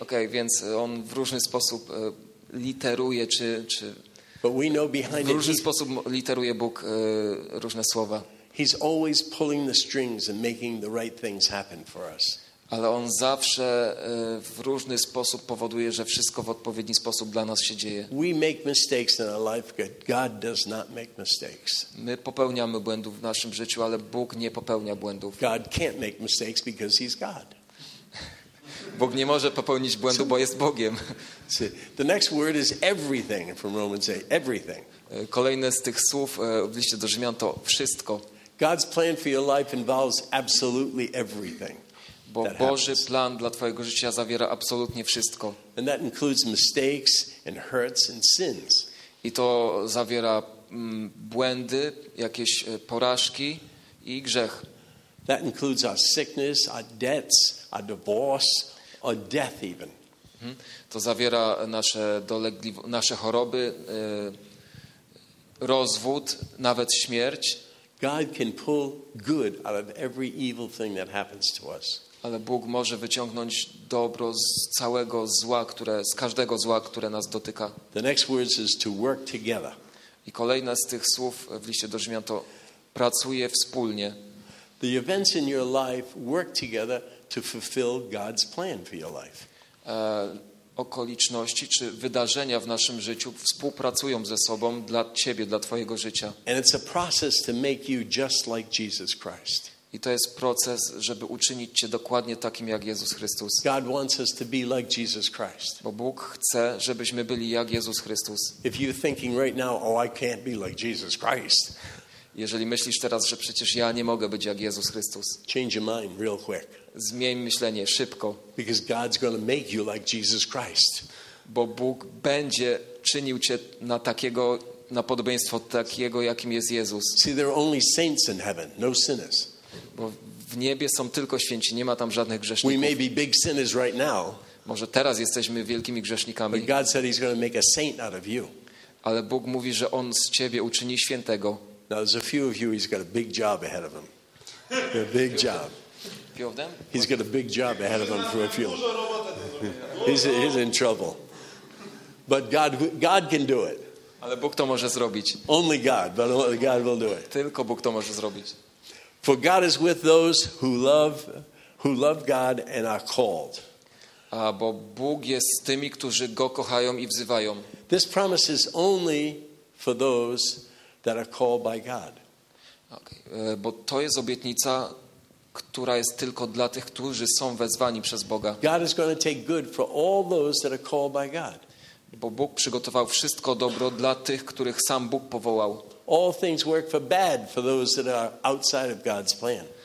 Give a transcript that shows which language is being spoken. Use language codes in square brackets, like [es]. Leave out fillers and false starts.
[pl] Okay, więc on w różny sposób literuje czy [en] But we know behind [pl] w różny sposób literuje Bóg różne słowa. [en] He's always pulling the strings and making the right things happen for us. [pl] Ale on zawsze w różny sposób powoduje, że wszystko w odpowiedni sposób dla nas się dzieje. [en] We make mistakes in our life, but God does not make mistakes. [pl] My popełniamy błędów w naszym życiu, ale Bóg nie popełnia błędów. [en] God can't make mistakes because he's God. [pl] Bóg nie może popełnić błędu, bo jest Bogiem. [en] The next word is everything from Romans 8. Everything. [pl] Kolejne z tych słów w liście do Rzymian to wszystko. [en] God's plan for your life involves absolutely everything. [pl] Bo Boży plan dla twojego życia zawiera absolutnie wszystko. [en] And that includes mistakes and hurts and sins. [pl] I to zawiera błędy, jakieś porażki i grzech. [en] That includes our sickness, our debts, our divorce, or death even. [pl] To zawiera nasze nasze choroby, rozwód, nawet śmierć. [en] God can pull good out of every evil thing that happens to us. [pl] Ale Bóg może wyciągnąć dobro z całego zła, z każdego zła, które nas dotyka. [en] The next words is to work together. [pl] I kolejne z tych słów w liście do Rzymian to pracuje wspólnie. [en] The events in your life work together to fulfill God's plan for your life. [pl] Okoliczności czy wydarzenia w naszym życiu współpracują ze sobą dla ciebie, dla twojego życia. [en] And it's a process to make you just like Jesus Christ. [pl] I to jest proces, żeby uczynić cię dokładnie takim jak Jezus Chrystus. [en] God wants us to be like Jesus Christ. [pl] Bo Bóg chce, żebyśmy byli jak Jezus Chrystus. [en] If you're thinking right now, oh, I can't be like Jesus Christ. [pl] Jeżeli myślisz teraz, że przecież ja nie mogę być jak Jezus Chrystus. [en] Change your mind real quick. [pl] Zmień myślenie szybko. [en] Because God's going to make you like Jesus Christ. [pl] Bo Bóg będzie czynił cię na takiego, na podobieństwo takiego, jakim jest Jezus. [en] See, there are only saints in heaven, no sinners. [pl] Bo w niebie są tylko święci, nie ma tam żadnych grzeszników. [en] We may be big sinners right now. [pl] Może teraz jesteśmy wielkimi grzesznikami. [en] But God said he's going to make a saint out of you. [pl] Ale Bóg mówi, że on z ciebie uczyni świętego. [en] Now there's a few of you, he's got a big job ahead of him. A big job. Few of them? He's got a big job ahead of him for a few. He's in trouble. But God can do it. [pl] Ale Bóg to może zrobić. [en] Only God, but only God will do it. [pl] Tylko Bóg to może zrobić. [en] For God is with those who love God and are called. [pl] A bo Bóg jest z tymi, którzy go kochają i wzywają. [en] This promise is only for those that are called by God. Okay. [pl] Bo to jest obietnica, która jest tylko dla tych, którzy są wezwani przez Boga. [en] God is going to take good for all those that are called by God. [pl] Bo Bóg przygotował wszystko dobro dla tych, których sam Bóg powołał. [en] All things work for bad for those that are outside of God's plan.